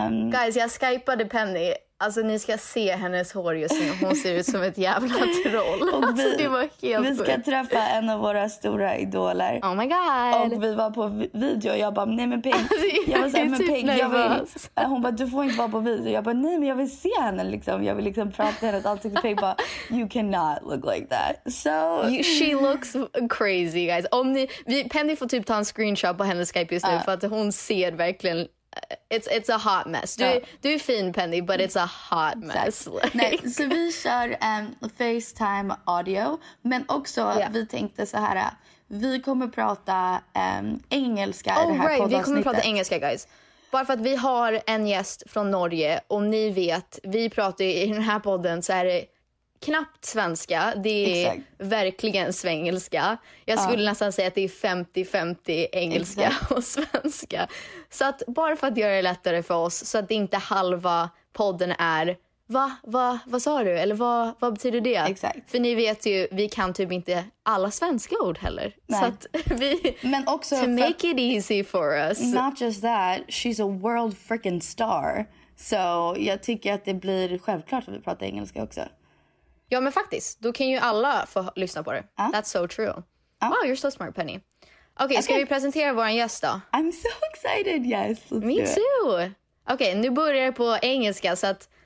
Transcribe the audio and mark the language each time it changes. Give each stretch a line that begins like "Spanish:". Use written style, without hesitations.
Swedish: Guys, jag skypade Penny. Alltså ni ska se hennes hår just nu. Hon ser ut som ett jävla troll. Och vi, alltså, det var helt vi ska träffa en av våra stora idoler.
English: Oh my god.
Swedish: Och vi var på video och jag bara, nej men Peg, jag var såhär, men Peg, jag vill. Hon bara, du får inte vara på video. Jag bara, nej men jag vill se henne liksom. Jag vill liksom prata med henne. Alltid till Peg bara,
English: you cannot look like that. So she looks crazy guys.
Swedish: Om ni, Penny får typ ta en screenshot på hennes Skype just nu. För att hon ser verkligen,
English: It's a hot mess.
Swedish: Du är fin
English: Penny, but it's a hot mess. Like.
Swedish: Nej, så vi kör FaceTime audio, men också Vi tänkte så här, vi kommer prata engelska i det här podcastet. Vi kommer prata engelska guys. Bara för att vi har en gäst från Norge och ni vet, vi pratar i den här podden så är det knappt svenska. Det är verkligen svengelska. Jag skulle nästan säga att det är 50-50 engelska och svenska. Så att bara för att göra det lättare för oss, så att det inte halva podden är Vad sa du? Eller vad betyder det? Exakt. För ni vet ju, vi kan typ inte alla svenska ord heller. Nej. Så att vi... Men också
English: to make it easy for us. Not just that, she's a world freaking star.
Swedish: Så jag tycker att det blir självklart att vi pratar engelska också. Ja, men faktiskt. Då kan ju alla få lyssna på det.
English: That's so true. Wow, you're so smart, Penny.
Swedish: Okej, ska vi presentera vår gäst då?
English: I'm so excited, yes. Me too.
Swedish: Okej, nu börjar på engelska så att...